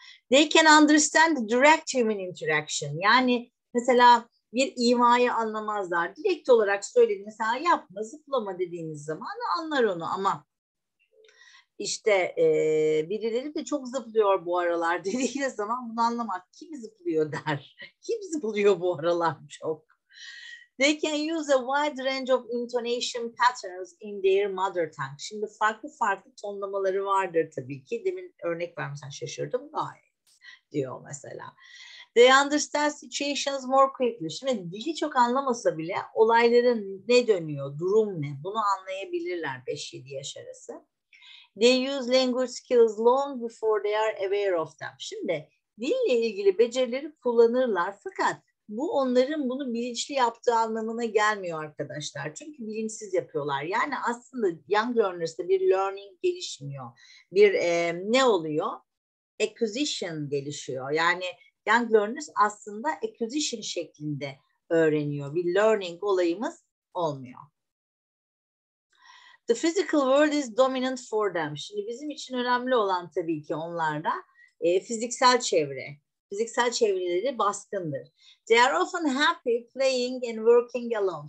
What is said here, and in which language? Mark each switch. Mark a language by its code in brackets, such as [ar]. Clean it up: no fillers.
[en] They can understand the direct human interaction. [tr] Yani mesela bir imayı anlamazlar. Direkt olarak söyledi. Mesela yapma, zıplama dediğiniz zaman anlar onu ama işte birileri de çok zıplıyor bu aralar dediğiniz zaman bunu anlamak. Kim zıplıyor der. Kim zıplıyor bu aralar çok. [en] They can use a wide range of intonation patterns in their mother tongue. [tr] Şimdi farklı farklı tonlamaları vardır tabii ki. Demin örnek vermesen şaşırdım. Gayet diyor mesela. [en] They understand situations more quickly. [tr] Şimdi dili çok anlamasa bile olayların ne dönüyor, durum ne? Bunu anlayabilirler 5-7 yaş arası. [en] They use language skills long before they are aware of them. [tr] Şimdi dille ilgili becerileri kullanırlar fakat bu onların bunu bilinçli yaptığı anlamına gelmiyor arkadaşlar. Çünkü bilinçsiz yapıyorlar. Yani aslında young learners'da bir learning gelişmiyor. Bir ne oluyor? Acquisition gelişiyor. Yani Young learners aslında acquisition şeklinde öğreniyor. Bir learning olayımız olmuyor. [en] The physical world is dominant for them. [tr] Şimdi bizim için önemli olan tabii ki onlarda fiziksel çevre. Fiziksel çevreleri baskındır. [en] They are often happy playing and working alone.